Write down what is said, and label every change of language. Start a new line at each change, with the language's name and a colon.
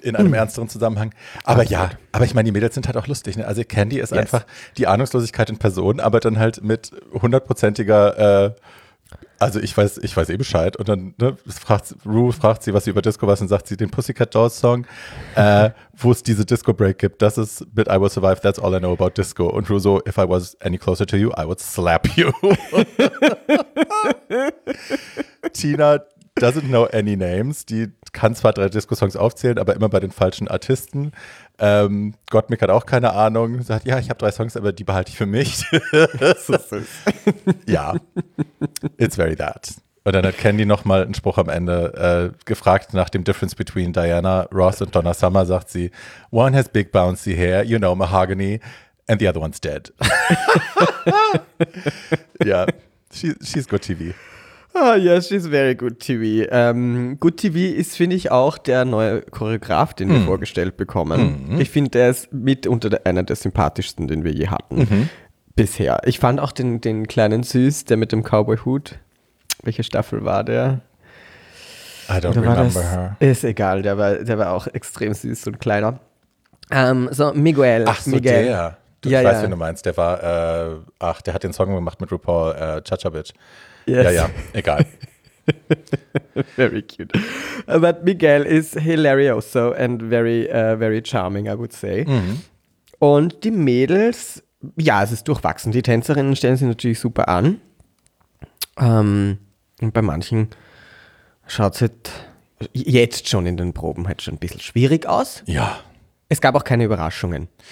German: In einem ernsteren Zusammenhang. Aber absolut. Ja, aber ich meine, die Mädels sind halt auch lustig. Ne? Also Candy ist yes. einfach die Ahnungslosigkeit in Person, aber dann halt mit hundertprozentiger, also ich weiß eh Bescheid. Und dann ne, fragt sie, was sie über Disco weiß, und sagt sie den Pussycat Dolls Song, wo es diese Disco Break gibt. Das ist
English: But I Will Survive, That's All I Know About Disco.
German: Und Ru so,
English: if I was any closer to you, I would slap you. Tina doesn't know any names.
German: Die kann zwar drei Disco-Songs aufzählen, aber immer bei den falschen Artisten. Gottmik hat auch keine Ahnung. Sagt, ja, ich habe drei Songs, aber die behalte ich für mich. Ja,
English: it's very that.
German: Und dann hat Candy nochmal einen Spruch am Ende gefragt nach dem
English: Difference between
German: Diana Ross und Donna Summer. Sagt sie,
English: one has big bouncy hair, you know, mahogany, and the other one's dead. Ja, she's good TV. Ah, oh, yes, she's very good TV. Good TV
German: ist, finde ich, auch der neue Choreograf, den wir vorgestellt bekommen. Mm-hmm. Ich finde, der ist mitunter einer der sympathischsten, den wir je hatten bisher. Ich fand auch den kleinen Süß, der mit dem Cowboy-Hut. Welche Staffel war der?
English: I don't remember das? Her.
German: Ist egal, der war auch extrem süß und kleiner. So, Miguel. Ach so, Miguel. Der. Du, ja, ich weiß, ja. Wen du meinst. Der war, der hat den Song gemacht mit RuPaul, Cha-Cha-Bitch. Yes. Ja, ja, egal.
English: Very cute. But Miguel is hilarioso and very, very charming, I would say. Mm-hmm.
German: Und die Mädels, ja, es ist durchwachsen. Die Tänzerinnen stellen sich natürlich super an. Und bei manchen schaut es jetzt schon in den Proben halt schon ein bisschen schwierig aus. Ja. Es gab auch keine Überraschungen.